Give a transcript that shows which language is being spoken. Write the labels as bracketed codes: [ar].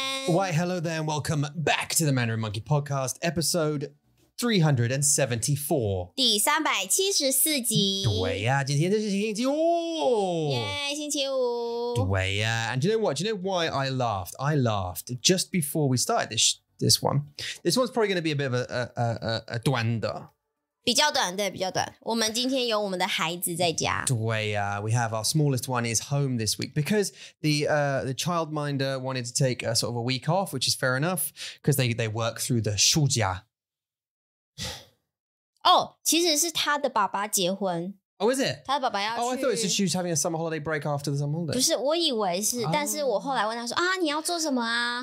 [en] Why, hello there, and welcome back to the Mandarin Monkey podcast, episode 374. [zh] 第374集。对呀，今天就是星期五。耶，星期五。对呀。 [en] And you know what? Do you know why I laughed? I laughed just before we started this one. This one's probably going to be a bit of a [zh] 短的。比较短，对，比较短。我们今天有我们的孩子在家。对呀、 [en] we have our smallest one is home this week because the childminder wanted to take a sort of a week off, which is fair enough because they work through the [zh] 暑假。哦，其实是他的爸爸结婚。 [en] Oh, is it? [zh] 他的爸爸要去。 [en] Oh, I thought it was just she was having a summer holiday break after the summer holiday. [zh] 不是，我以为是，但是我后来问他说、啊，你要做什么啊？